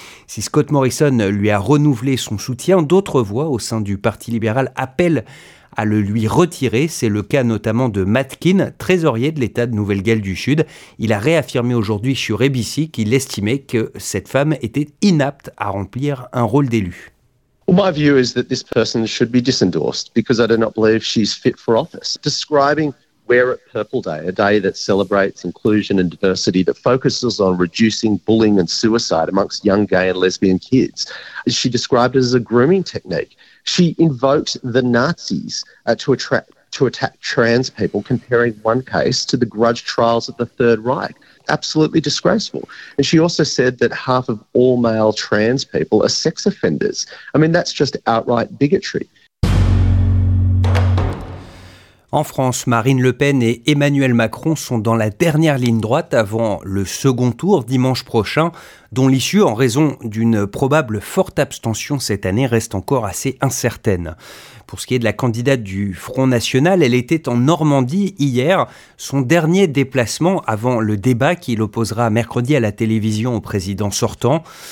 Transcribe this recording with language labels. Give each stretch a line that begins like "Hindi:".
French: Si Scott Morrison lui a renouvelé son soutien, d'autres voix au sein du Parti libéral appellent à le lui retirer. C'est le cas notamment de Matt Kean, trésorier de l'État de Nouvelle-Galles du Sud. Il a réaffirmé aujourd'hui sur ABC qu'il estimait que cette femme était inapte à remplir un rôle d'élu.
English: My view is that this person should be disendorsed because I do not believe she's fit for office. Describing Wear It Purple Day, a day that celebrates inclusion and diversity, that focuses on reducing bullying and suicide amongst young gay and lesbian kids. She described it as a grooming technique. She invoked the Nazis to attack trans people, comparing one case to the grudge trials of the Third Reich. Absolutely disgraceful. And she also said that half of all male trans people are sex offenders. I mean, that's just outright bigotry.
French: En France, Marine Le Pen et Emmanuel Macron sont dans la dernière ligne droite avant le second tour dimanche prochain, dont l'issue, en raison d'une probable forte abstention cette année, reste encore assez incertaine. Pour ce qui est de la candidate du Front National, elle était en Normandie hier, son dernier déplacement avant le débat qui l'opposera mercredi à la télévision au président sortant.